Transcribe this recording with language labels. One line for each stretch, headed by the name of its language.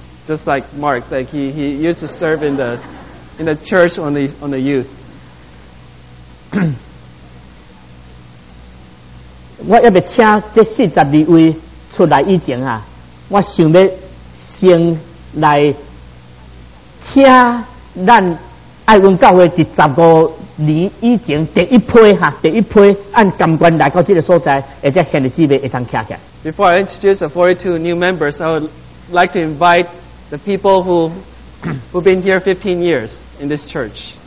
English: Just like Mark, like he used to serve in the church on the youth.
Min Nan Chinese: 我要请这42位出来以前啊，我想要先来请咱爱文教会第15年以前第一批按甘关来到这个所在，而且现在姊妹会当徛起来。
English: Before I introduce the 42 new members, I would like to invite. The people who've been here 15 years in this church.